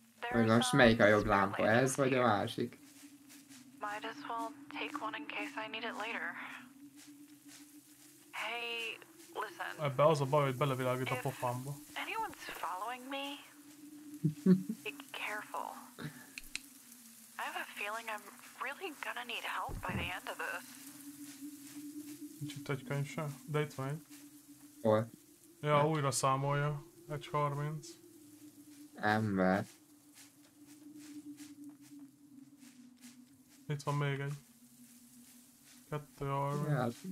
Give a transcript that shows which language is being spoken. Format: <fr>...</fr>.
<hu>Hogy most melyik a jobb lámpa, ez vagy a másik?</hu> <en>Might as well take one in case I need it later. Hey, listen.</en> <hu>ebbe az a baj, hogy belevilágít a pofámba.</hu> <en>Anyone's following me? Be careful. I have a feeling I'm really gonna need help by the end of this.</en> <hu>Nincs itt egy könyv sem, de itt van egy. Hol? Ja, hát. Újra számolja. 1:30. Ember. Itt van még egy. 2:30. Ja,</hu>